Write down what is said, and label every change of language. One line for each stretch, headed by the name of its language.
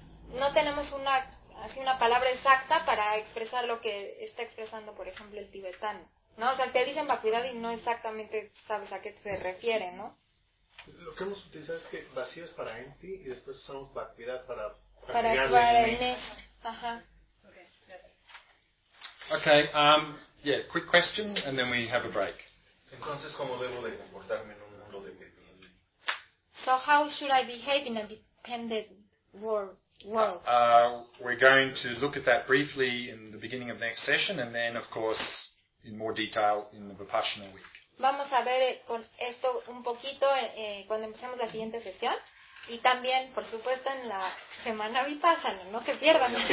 Spanish: No tenemos una. Así una palabra exacta para expresar lo que está expresando, por ejemplo, el tibetano, ¿no? O sea, te dicen vacuidad y no exactamente sabes a qué se refiere, ¿no? Lo que hemos utilizado es que vacío es para empty y después usamos vacuidad para agregarle el mes. Ajá.
English: Okay, quick question and then we have a break.
Spanish: Entonces, ¿cómo debo de comportarme en un mundo dependiente?
English: So how should I behave in a dependent world? We're going to look at that briefly in the beginning of next session, and then, of course, in more detail in the Vipassana week.
Spanish: Vamos a ver con esto un poquito cuando empecemos la siguiente sesión. Y también, por supuesto, en la semana Vipassana, no se pierdan.